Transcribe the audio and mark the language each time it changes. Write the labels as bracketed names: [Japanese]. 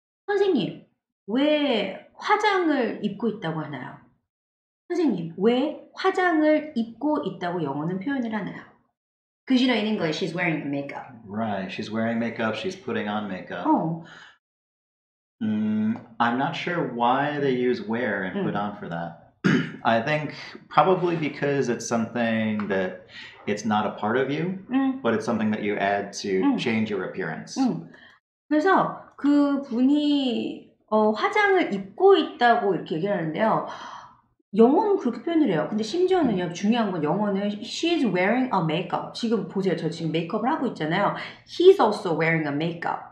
[Korean] 선생님 왜 화장을 입고 있다고 하나요? 선생님, 왜 화장을 입고 있다고 영어는 표현을 하나요? [English] Because you know in English, she's wearing makeup. Right, she's wearing makeup, she's putting on makeup. Oh. I'm not sure why they use wear and put on for that. I think probably because it's something that it's not a part of you, but it's something that you add to change your appearance. [Korean] 그래서 그 분이 화장을 입고 있다고 이렇게 얘기를 하는데요. 영어는 그렇게 표현을 해요. 근데 심지어는요, 중요한 건 영어는 [English] she's wearing a makeup. [Korean] 지금 보세요. 저 지금 메이크업을 하고 있잖아요. [English] He's also wearing a makeup.